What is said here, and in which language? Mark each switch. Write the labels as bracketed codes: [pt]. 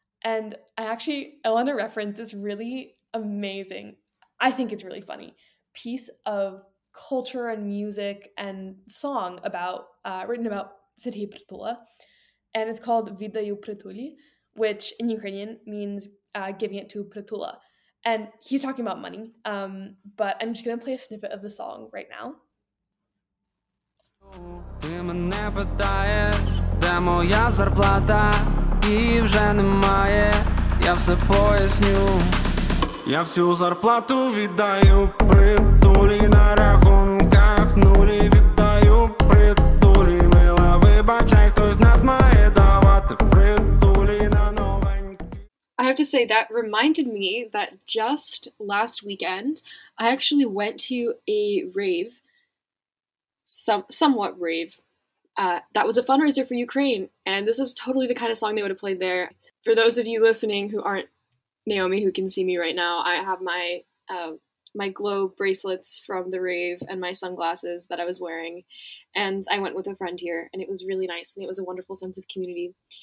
[en] And I want to reference this really amazing, I think it's really funny, piece of culture and music and song about written about Serhii Pritula. And it's called Vidayu Pritulyi, which in Ukrainian means giving it to Pritula. And he's talking about money, but I'm just going to play a snippet of the song right now. [uk] Ти мене питаєш, де моя зарплата, і вже немає, я все поясню. Я всю зарплату віддаю Притулі на рахунках нулі, віддаю Притулі, мила, вибачай, хтось нас має давати Притулі на новенькі. [en] I have to say, that reminded me that just last weekend, I actually went to a rave. Somewhat rave. That was a fundraiser for Ukraine, and this is totally the kind of song they would have played there. For those of you listening who aren't Naomi, who can see me right now, I have my my glow bracelets from the rave and my sunglasses that I was wearing, and I went with a friend here, and it was really nice, and it was a wonderful sense of community.